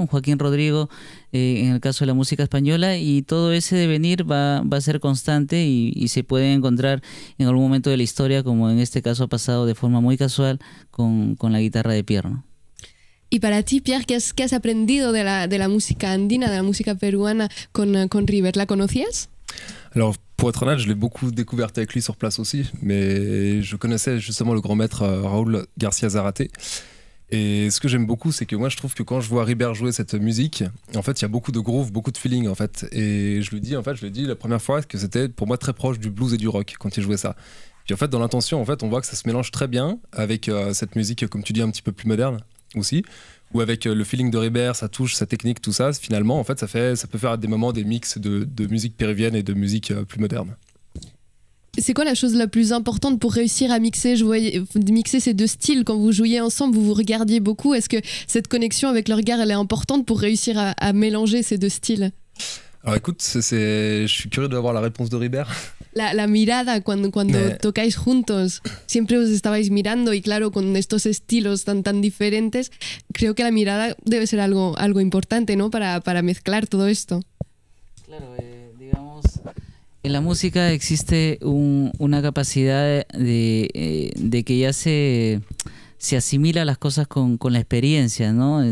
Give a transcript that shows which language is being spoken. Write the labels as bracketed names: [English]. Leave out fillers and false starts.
[Spanish] Un Joaquín Rodrigo, en el caso de la música española, y todo ese devenir va a ser constante y se puede encontrar en algún momento de la historia, como en este caso ha pasado de forma muy casual con la guitarra de Pierre, ¿no? Y para ti, Pierre, ¿qué has aprendido de la música andina, de la música peruana con River? ¿La conocías? [French] Alors, pour être honnête, je l'ai beaucoup découverte avec lui sur place aussi, mais je connaissais justement le grand maître Raúl García Zárate. Et ce que j'aime beaucoup, c'est que moi, je trouve que quand je vois River jouer cette musique, en fait, il y a beaucoup de groove, beaucoup de feeling, en fait. Et je lui dis, en fait, je l'ai dit la première fois, que c'était pour moi très proche du blues et du rock quand il jouait ça. Puis en fait, dans l'intention, en fait, on voit que ça se mélange très bien avec cette musique, comme tu dis, un petit peu plus moderne aussi. Ou avec le feeling de River, sa touche, sa technique, tout ça, finalement, en fait, ça peut faire à des moments des mix de musique péruvienne et de musique plus moderne. C'est quoi la chose la plus importante pour réussir à mixer ces deux styles? Quand vous jouiez ensemble, vous vous regardiez beaucoup. Est-ce que cette connexion avec le regard, elle est importante pour réussir à mélanger ces deux styles? Alors écoute, je suis curieux d'avoir la réponse de River. [Spanish] La mirada cuando tocáis juntos, siempre os estabais mirando, y claro, con estos estilos tan tan diferentes, creo que la mirada debe ser algo importante, ¿no? Para mezclar todo esto. Claro, digamos, en la música existe una capacidad de que ya se asimila las cosas con la experiencia, ¿no?